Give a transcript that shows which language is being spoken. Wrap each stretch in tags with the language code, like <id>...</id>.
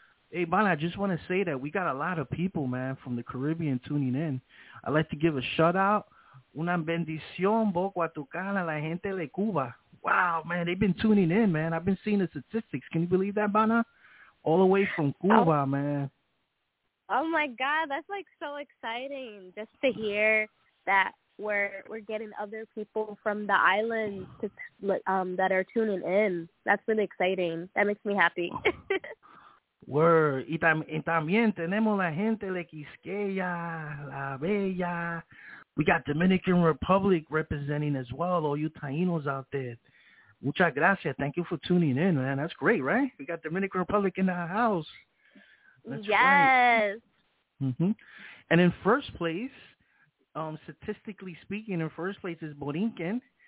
<en>Hey, man, I just want to say that we got a lot of people, man, from the Caribbean tuning in. I'd like to give a shout-out.</en> <es>Una bendición, Boca Tucana, la gente de Cuba.</es> <en>Wow, man, they've been tuning in, man. I've been seeing the statistics. Can you believe that, Bana? All the way from Cuba, man. Oh, my God, that's, like, so exciting just to hear that we're getting other people from the island to, that are tuning in. That's really exciting. That makes me happy. Word.</en> <es>Y también tenemos la gente de Quisqueya, La Bella.</es> <en>We got Dominican Republic representing as well, all you Taínos out there.</en> <es>Muchas gracias.</es> <en>Thank you for tuning in, man. That's great, right? We got Dominican Republic in our house. That's yes. Right. Mm-hmm. And in first place, statistically speaking, in first place is Borinquen.</en>